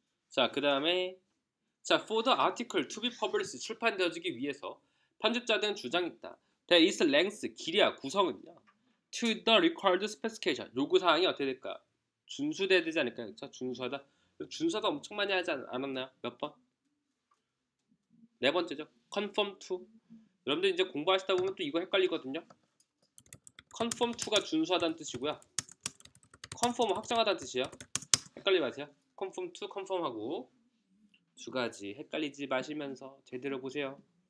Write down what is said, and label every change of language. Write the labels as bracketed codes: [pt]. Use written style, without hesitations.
[ko] 자, 그 다음에 자, [en] for the article to be published [ko] 출판되어지기 위해서 편집자들은 주장 있다. [en] There is length, [ko] 길이야, 구성은요. [en] To the required specification, [ko] 요구사항이 어떻게 될까? 준수돼야 되지 않을까요? 자, 준수하다. 준수하다 엄청 많이 하지 않았나요? 몇 번? 네 번째죠. [en] Conform to. [ko] 여러분들 이제 공부하시다 보면 또 이거 헷갈리거든요. [en] Conform to [ko] 가 준수하다는 뜻이고요. Conform 확정하다는 뜻이에요. 헷갈리지 마세요. [en] Conform to, conform [ko] 하고 두 가지 헷갈리지 마시면서 제대로 보세요.